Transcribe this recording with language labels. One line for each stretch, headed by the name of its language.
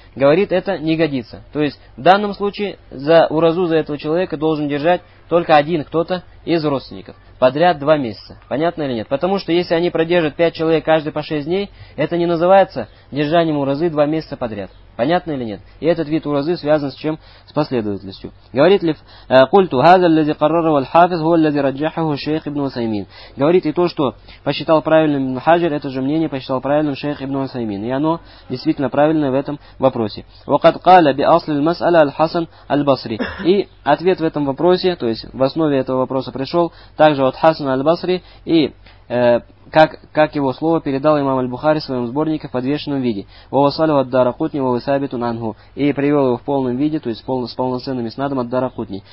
Russian: Говорит, это не годится. То есть, в данном случае, за уразу за этого человека должен держать только один кто-то из родственников. Подряд 2 месяца. Понятно или нет? Потому что если они продержат 5 человек каждый по 6 дней, это не называется держанием уразы 2 месяца подряд. Понятно или нет? И этот вид уразы связан с чем? С последовательностью. Говорит ли культу
Arabic: هذا الذي قرره الحافظ هو الذي رجحه الشيخ ابن عثيمين.
Russian: Говорит и то, что посчитал правильным Хаджар, это же мнение посчитал правильным шейх ибн Усаймин. И оно действительно правильное в этом вопросе.
Arabic: وقد قال بأصل المسألة الحسن البصري.
Russian: И ответ в этом вопросе, то есть в основе этого вопроса пришел также от Хасана аль-Басри и как его слово передал имам аль-Бухари в своем сборнике в подвешенном виде.
Arabic: «Вавасалю ад-Дарахутни, вавасабиту нангу».
Russian: И привел его в полном виде, то есть с полноценным иснадом ад-Дарахутни.